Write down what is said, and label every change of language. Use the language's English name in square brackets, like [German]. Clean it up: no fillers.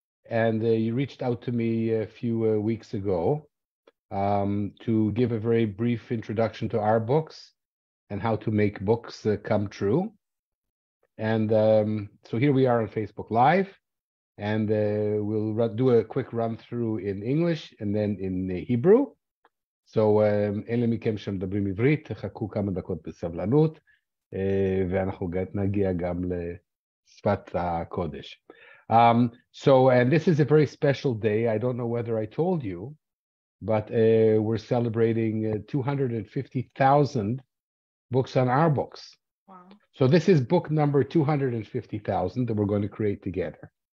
[English] And you reached out to me a few weeks ago to give a very brief introduction to Ourboox and how to make books come true. And so here we are on Facebook Live. And we'll do a quick run through in English and then in Hebrew. [Hebrew] So, אלה מכם שמדברים עברית, תחכו כמה דקות בסבלנות, ואנחנו נגיע גם לשפת הקודש. [English] And this is a very special day. I don't know whether I told you, but we're celebrating 250,000 books on Ourboox. Wow. So this is book number 250,000 that we're going to create together.